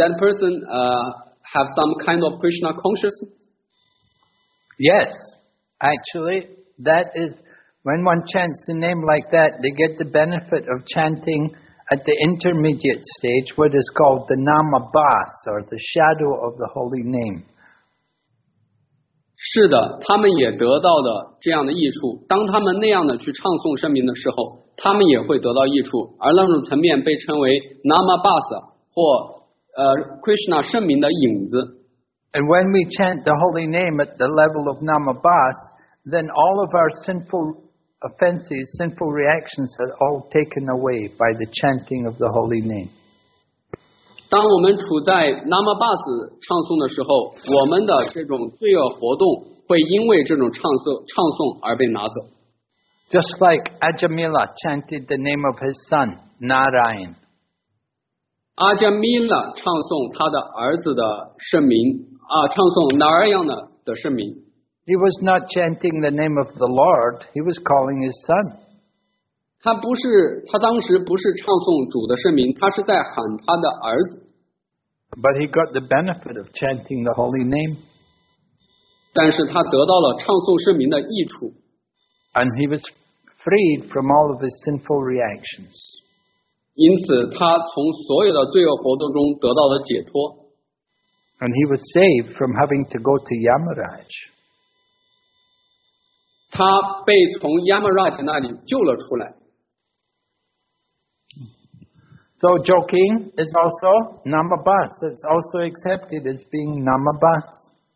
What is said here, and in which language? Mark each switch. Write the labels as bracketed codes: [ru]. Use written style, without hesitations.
[en] Is that person have some kind of Krishna consciousness? Yes, actually, that is when one chants the name like that, they get the benefit of chanting at the intermediate stage what is called the Namabhas or the shadow of the holy name. [zh] 是的，他们也得到了这样的益处。当他们那样的去唱诵圣名的时候，他们也会得到益处。而那种层面被称为 Namabhasa 或Krishna 圣名的影子。 [en] And when we chant the holy name at the level of Namabhas, then all of our sinful offenses, sinful reactions are all taken away by the chanting of the holy name. [zh] 当我们处在 Namabhas 唱诵的时候，我们的这种罪恶活动会因为这种唱诵而被拿走。 [en] Just like Ajamila chanted the name of his son, Narayan. [zh] Ajamila 唱诵他的儿子的圣名，唱诵 Narayan 的圣名。 [en] He was not chanting the name of the Lord, he was calling his son. [zh] 他当时不是唱诵主的圣名，他是在喊他的儿子。 [en] But he got the benefit of chanting the holy name. [zh] 但是他得到了唱诵圣名的益处。 [en] And he was freed from all of his sinful reactions. [zh] 因此他从所有的罪恶活动中得到了解脱。 [en] And he was saved from having to go to Yamaraj. [zh] 他被从 Yamaraj 那里救了出来。 [en] So joking is also Namabhas. It's also accepted as being Namabhas.